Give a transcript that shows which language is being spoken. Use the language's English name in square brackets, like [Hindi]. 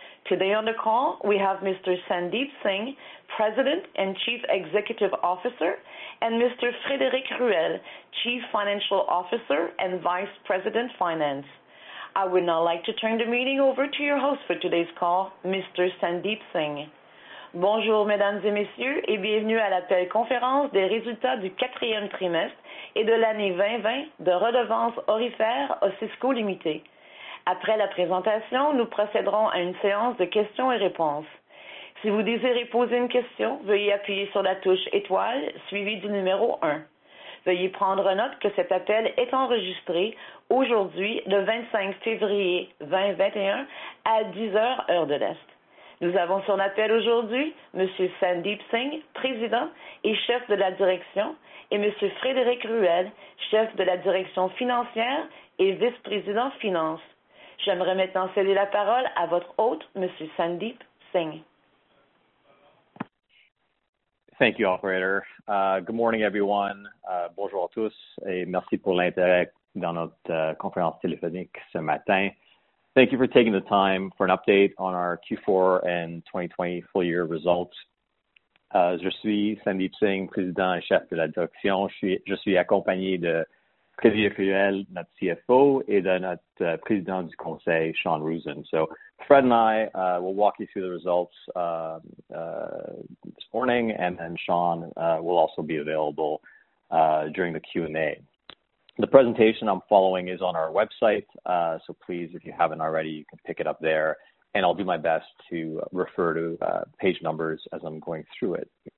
[English] Today on the call, we have Mr. Sandeep Singh, President and Chief Executive Officer, and Mr. Frédéric Ruel, Chief Financial Officer and Vice President, Finance. I would now like to turn the meeting over to your host for today's call, Mr. Sandeep Singh. [French] Bonjour, mesdames et messieurs, et bienvenue à la téléconférence des résultats du quatrième trimestre et de l'année 2020 de Redevances Aurifères Osisko Limitée. Après la présentation, nous procéderons à une séance de questions et réponses. Si vous désirez poser une question, veuillez appuyer sur la touche étoile suivie du numéro un. Veuillez prendre note que cet appel est enregistré aujourd'hui, le 25 février 2021, à 10:00 heure de l'Est. Nous avons sur l'appel aujourd'hui Monsieur Sandeep Singh, Président et Chef de la Direction, et Monsieur Frédéric Ruel, Chef de la Direction Financière et Vice-Président Finance. J'aimerais maintenant céder la parole à votre hôte, Monsieur Sandeep Singh. [English] Thank you, Operator. Good morning, everyone. [French] Bonjour à tous et merci pour l'intérêt dans notre conférence téléphonique ce matin. [English] Thank you for taking the time for an update on our Q4 and 2020 full-year results. [French] Je suis Sandeep Singh, Président et Chef de la Direction. Je suis accompagné de Frédéric Ruel, notre CFO, et de notre Président du Conseil, Sean Roosen. [English] So Fred and I will walk you through the results this morning, and then Sean will also be available during the Q&A. The presentation I'm following is on our website, so please, if you haven't already, you can pick it up there, and I'll do my best to refer to page numbers as I'm going through it.